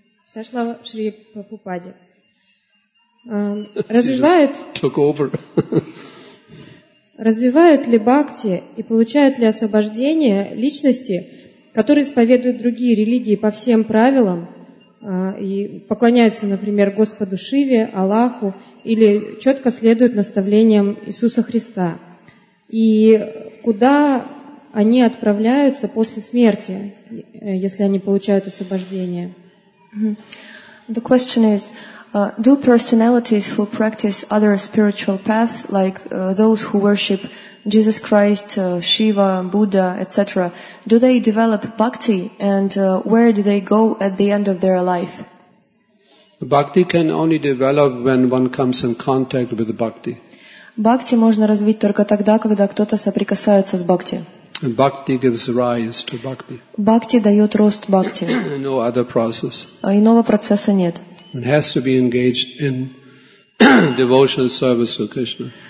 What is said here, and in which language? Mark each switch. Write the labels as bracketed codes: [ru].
[ru] Вся слава Шри Прабхупаде. Развивают ли бхакти и получают ли освобождение личности, которые исповедуют другие религии по всем правилам и поклоняются, например, Господу Шиве, Аллаху или четко следуют наставлениям Иисуса Христа? И куда они отправляются после смерти, если они получают освобождение. [en] The question is, do personalities who practice other spiritual paths, like those who worship Jesus Christ, Shiva, Buddha, etc., do they develop bhakti, and where do they go at the end of their life? Bhakti can only develop when one comes in contact with bhakti. [ru] Бхакти можно развить только тогда, когда кто-то соприкасается с бхакти. [en] And bhakti gives rise to bhakti. [ru] Бхакти дает рост бхакти. [en] No other process. [ru] А иного процесса нет. [en] One has to be engaged in devotional service to Krishna.